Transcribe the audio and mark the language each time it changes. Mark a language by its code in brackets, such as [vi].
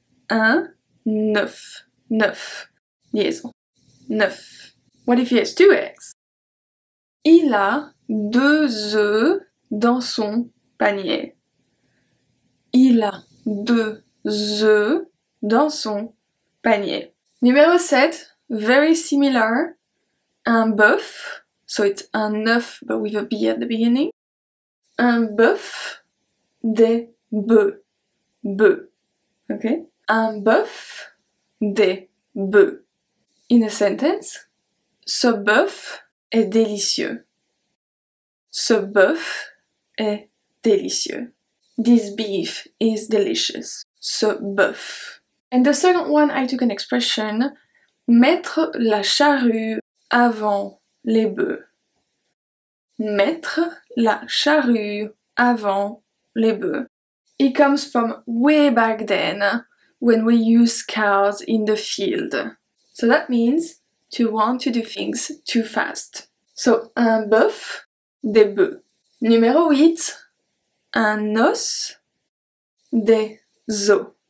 [fr] Un œuf. Neuf. Liaison. Neuf. [en] What if he has two eggs? [fr] Il a deux œufs dans son panier. Il a deux œufs dans son panier. [en] Numéro 7. Very similar. [fr] Un bœuf. [en] So it's [fr] un œuf, [en] but with a B at the beginning. [fr] Un bœuf. Des bœufs. Bœufs. Okay? Un bœuf. Des bœufs. [en] In a sentence. [fr] Ce bœuf est délicieux. Ce bœuf est délicieux. [en] This beef is delicious. [fr] Ce bœuf. [en] And the second one, I took an expression. [fr] Mettre la charrue avant les bœufs. Mettre la charrue avant les bœufs. [en] It comes from way back then, when we use cows in the field. So that means to want to do things too fast. [fr] So, un bœuf, des bœufs. Numéro 8, un os, des os.